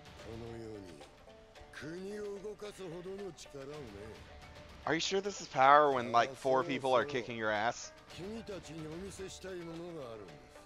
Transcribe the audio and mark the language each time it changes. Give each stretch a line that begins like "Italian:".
Japanese: このように国を動かすほどの力をね。
English: Are you sure this is power when like four people are kicking your ass?
Japanese: 君たちにお見せしたいものがあるんです。